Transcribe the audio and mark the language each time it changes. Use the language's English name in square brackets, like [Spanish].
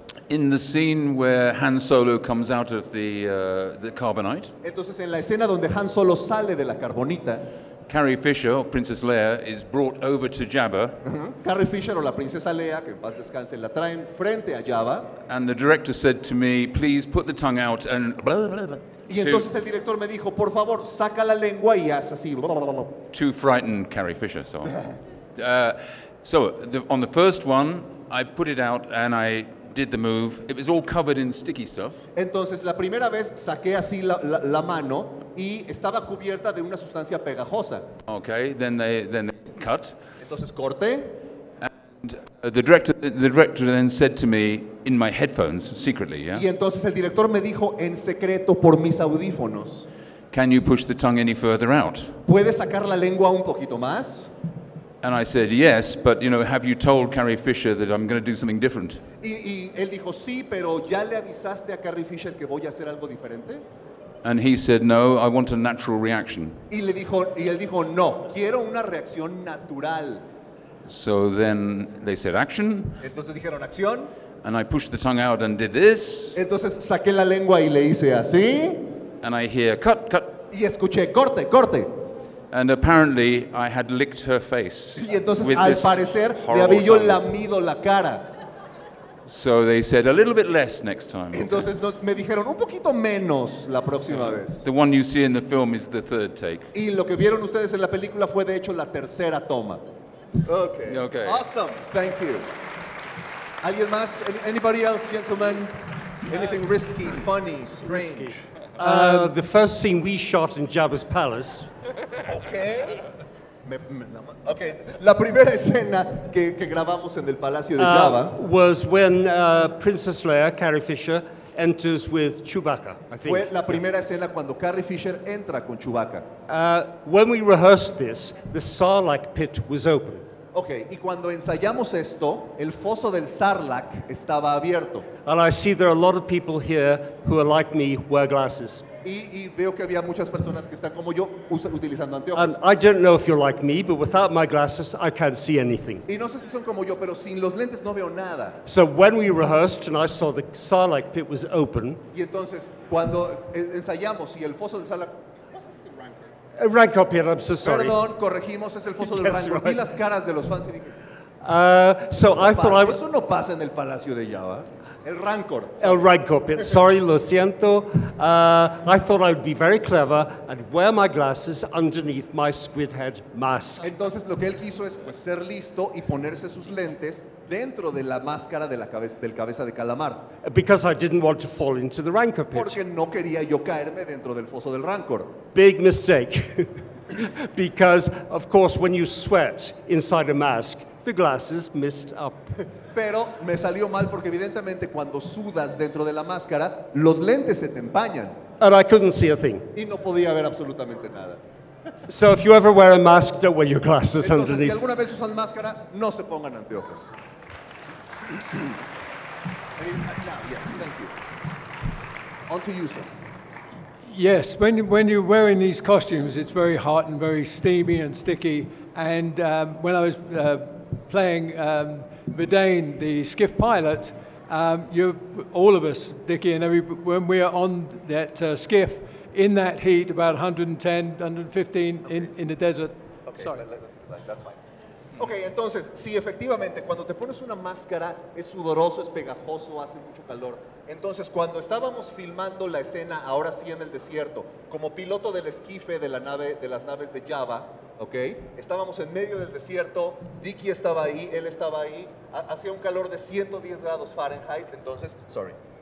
[English] In the scene where Han Solo comes out of the carbonite. [Spanish] Entonces en la escena donde Han Solo sale de la carbonita. [English] Carrie Fisher, or Princess Leia, is brought over to Jabba. [Spanish] Carrie Fisher, or la princesa Leia, que en paz descanse, la traen frente a Jabba. [English] And the director said to me, please put the tongue out and blah, blah, blah. [Spanish] Y entonces el director me dijo, por favor, saca la lengua y haz así, blah, blah, blah. [English] To frighten Carrie Fisher, so on. on the first one, I put it out and I did the move. It was all covered in sticky stuff. [Spanish] Entonces la primera vez saqué así la mano y estaba cubierta de una sustancia pegajosa. [English] Okay, then they cut. [Spanish] Entonces corté. [English] And the director then said to me in my headphones secretly, yeah. [Spanish] Y entonces el director me dijo en secreto por mis audífonos. [English] Can you push the tongue any further out? [Spanish] ¿Puedes sacar la lengua un poquito más? [English] And I said, yes, but you know, have you told Carrie Fisher that I'm going to do something different? [Spanish] Y él dijo, sí, pero ¿ya le avisaste a Carrie Fisher que voy a hacer algo diferente? [English] And he said, no, I want a natural reaction. [Spanish] Y él dijo, no, quiero una reacción natural. [English] So then they said, action. [Spanish] Entonces dijeron, acción. [English] And I pushed the tongue out and did this. [Spanish] Entonces saqué la lengua y le hice así. [English] And I hear, cut, cut. [Spanish] Y escuché, corte, corte. [English] And apparently I had licked her face. [Spanish] Y entonces with al this parecer le había yo lamido la cara. [English] So they said a little bit less next time. [Spanish] Entonces okay. Me dijeron un poquito menos la próxima vez. [English] The one you see in the film is the third take. [Spanish] Y lo que vieron ustedes en la película fue de hecho la tercera toma. [English] Okay. Okay. Awesome. Thank you. [Spanish] ¿Alguien más? [English] Anybody else, gentlemen? Anything risky, funny, strange? Risky. The first scene we shot in Jabba's palace. Okay. Okay. [Spanish] La primera escena que grabamos en el palacio de Jabba [English] was when Princess Leia, Carrie Fisher, enters with Chewbacca. [Spanish] Fue la primera escena cuando Carrie Fisher entra con Chewbacca. [English] When we rehearsed this, the Sarlacc pit was open. [Spanish] Okay, y cuando ensayamos esto, el foso del Sarlacc estaba abierto. [English] And I see there are a lot of people here who are like me, wear glasses. [Spanish] Y veo que había muchas personas que están como yo, utilizando anteojos. [English] And I don't know if you're like me, but without my glasses, I can't see anything. [Spanish] Y no sé si son como yo, pero sin los lentes no veo nada. [English] So when we rehearsed and I saw the Sarlacc pit was open. [Spanish] Y entonces, cuando ensayamos y el foso del Sarlacc... [English] Rank up here, I'm so sorry. [Spanish] Perdón, corregimos, es el foso del rango. Right. Vi las caras de los fans y dije... Eso no pasa en el Palacio de Jabba. El rancor. [English] Sorry. El rancor pit. Sorry, [Spanish] lo siento. [English] I thought I would be very clever and wear my glasses underneath my squid head mask. [Spanish] Entonces, lo que él quiso es pues, ser listo y ponerse sus lentes dentro de la máscara de la cabeza de calamar. [English] Because I didn't want to fall into the rancor pit. [Spanish] Porque no quería yo caerme dentro del foso del rancor. [English] Big mistake. Because, of course, when you sweat inside a mask, the glasses mist up. [Spanish] Pero me salió mal porque evidentemente cuando sudas dentro de la máscara, los lentes se te empañan. [English] And I couldn't see a thing. [Spanish] Y no podía ver absolutamente nada. [English] So if you ever wear a mask, don't wear your glasses underneath. [Spanish] Entonces, si alguna vez usan máscara, no se pongan anteojos. [English] Yes, thank you. On to you, sir. Yes, when you're wearing these costumes, it's very hot and very steamy and sticky. And when I was... playing Vedain, the skiff pilot, you, all of us, Dickey and every, when we are on that skiff in that heat, about 110, 115 in the desert. Okay, sorry. That's fine. [Spanish] Okay, entonces, sí, efectivamente, cuando te pones una máscara, es sudoroso, es pegajoso, hace mucho calor. Entonces, cuando estábamos filmando la escena, ahora sí en el desierto, como piloto del esquife de la nave, de las naves de Jabba, okay, estábamos en medio del desierto, Dickey estaba ahí, él estaba ahí, hacía un calor de 110 grados Fahrenheit, entonces, sorry.